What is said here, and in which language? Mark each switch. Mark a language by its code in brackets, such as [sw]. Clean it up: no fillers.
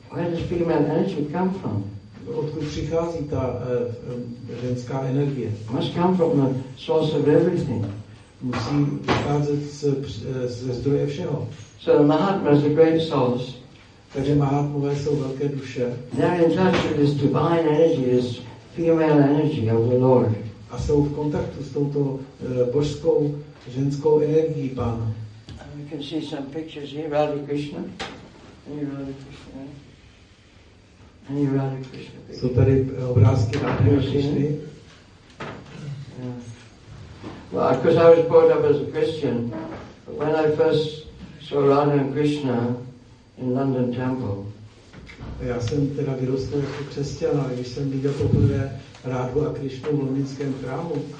[en] Where does female energy come from? [cs] Odkud přichází ta ženská energie? [en] Must come from the source of everything. [cs] Musí vycházet ze zdroje všeho. [en] So the Mahatma is a great source. [cs] Takže Mahatmové jsou velké duše. [en] They're in touch with this divine energy, this female energy of the Lord. [cs] A jsou v kontaktu s touto božskou ženskou energií Pána. [en] We can see some pictures here, Radha Krishna. Any Radha Krishna? Any Radha Krishna? [cs] Jsou tady obrázky Radha Krishna. Yeah. [en] Well, of course I was brought up as a Christian, but when I first saw Radha and Krishna in London Temple. [cs] Já jsem teda vyrostl jako křesťan, ale když jsem viděl poprvé Radhu a Krishnu v londýnském chrámu.